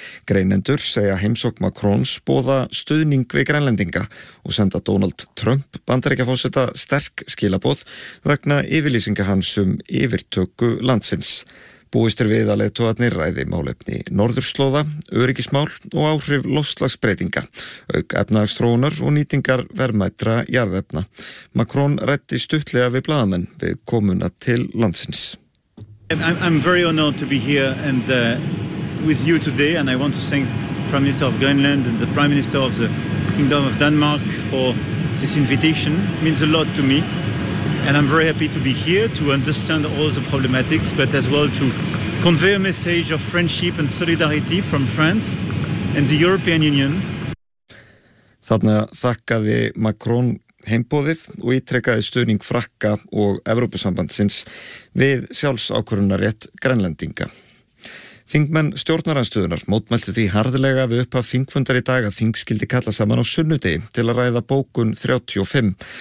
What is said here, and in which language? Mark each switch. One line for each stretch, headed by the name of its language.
Icelandic: Greinendur segja heimsók Macrons boða stuðning við grænlendinga og senda Donald Trump bandaríkja forseta sterk skilaboð vegna yfirlýsinga hans yfirtöku landsins. Búist við að leiðtogarnir ræði málefni norðurslóða, öryggismál og áhrif loftslagsbreytinga, auk efnahagsþróunar og nýtingar verðmætra jarðefna. Macron ræddi stuttlega við blaðamenn við komuna til landsins.
English: I'm very honored to be here and with you today and I want to thank Prime Minister of Greenland and the Prime Minister of the Kingdom of Denmark for this invitation. It means a lot to me. And I'm very happy to be here to understand all the problematics, but as well to convey a message of friendship and solidarity from France and the European Union.
Icelandic: Þarna þakkaði Macron heimboðið og ítrekkaði stuðning Frakka og Evrópusambandsins við sjálfsákvörunarrétt grænlendinga. Þingmenn stjórnarandstöðunar mótmæltu því harðlega við upphaf þingfundar í dag að þingskildi kalla saman á sunnudegi til að ræða bókun 35.